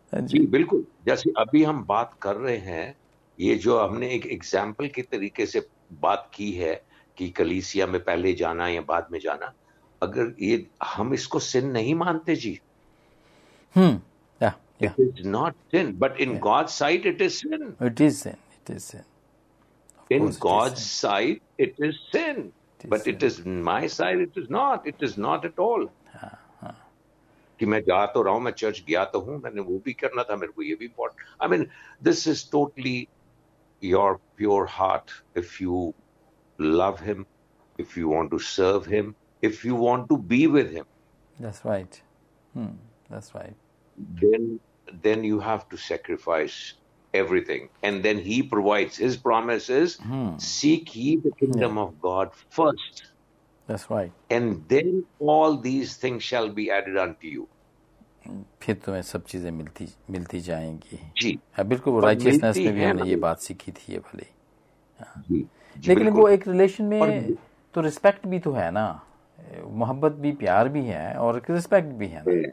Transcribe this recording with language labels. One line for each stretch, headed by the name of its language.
Urdu: جی بالکل, جیسے ابھی ہم بات کر رہے ہیں, یہ جو ہم نے ایک ایگزامپل کے طریقے سے بات کی ہے کہ کلیسیا میں پہلے جانا یا بعد میں جانا, اگر یہ ہم اس کو سن نہیں مانتے جی,
English: it is not sin, but in God's sight it is sin. It is sin, it is sin. In God's sight it is sin, but it is in my sight it is not at all.
Urdu: کہ میں جا تو رہا ہوں, میں church گیا تو ہوں, میں نے وہ بھی کرنا تھا, میرے کو یہ بھی important.
English: I mean this is totally your pure heart. If you love him, if you want to serve him, if you want to be with him, that's right, that's right, then you have to sacrifice everything and then he provides his promises. Seek he the kingdom of God first. That's right. And then all these things shall be added unto you.
Urdu: پھر تمہیں سب چیزیں ملتی جائیں گی. جی بالکل, وہ righteousness میں بھی ہم نے یہ بات سیکھی تھی, یہ بھلے. لیکن وہ ایک ریلیشن میں تو ریسپیکٹ بھی تو ہے نا, محبت بھی, پیار بھی ہے اور ریسپیکٹ بھی ہے نا.